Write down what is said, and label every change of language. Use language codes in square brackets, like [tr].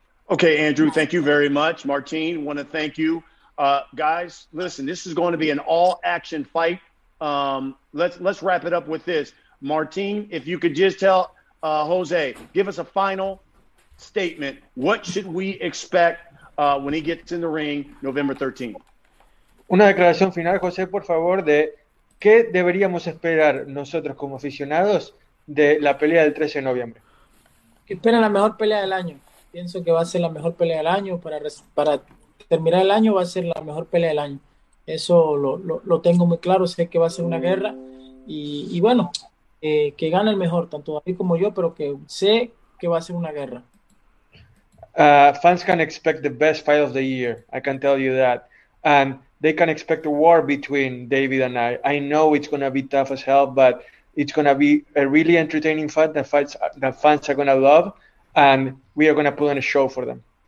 [en] Okay, Andrew, thank you very much. Martin, want to thank you. Guys, listen, this is going to be an all-action fight. Let's wrap it up with this. Martin, if you could just tell Jose, give us a final statement. What should we expect when he gets in the ring November 13th? [es] Una declaración final, Jose, por favor, de qué deberíamos esperar nosotros como aficionados de la pelea del 13 de noviembre. Que esperen la mejor pelea del año. Pienso que va a ser la mejor pelea del año para terminar el año, va a ser la mejor pelea del año. Eso lo tengo muy claro. Sé que va a ser una guerra. Y bueno, que gane el mejor, tanto David como yo, pero que sé que va a ser una guerra. [en] Fans can expect the best fight of the year. I can tell you that. And they can expect a war between David and I. I know it's going to be tough as hell, but it's going to be a really entertaining fight that fans are going to love. And we are going to put on a show for them.